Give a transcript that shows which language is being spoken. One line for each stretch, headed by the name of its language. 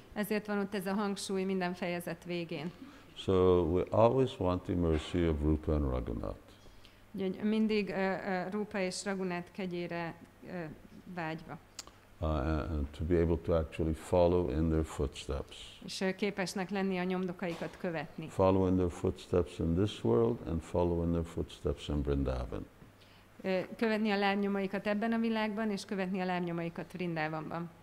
Hungarian: Ezért van ott ez a hangsúly minden fejezet végén.
English: So we always want the mercy of Rupa and Raghunath.
Hungarian: Mindig Rupa és Raghunath kegyére vágyva.
English: And to be able to actually follow in their footsteps.
Hungarian: És képesnek lenni a nyomdokaikat követni.
English: Follow in their footsteps in this world and follow in their footsteps in Vṛndāvana.
Hungarian: Követni a lábnyomaikat ebben a világban és követni a lábnyomaikat Vṛndāvanban.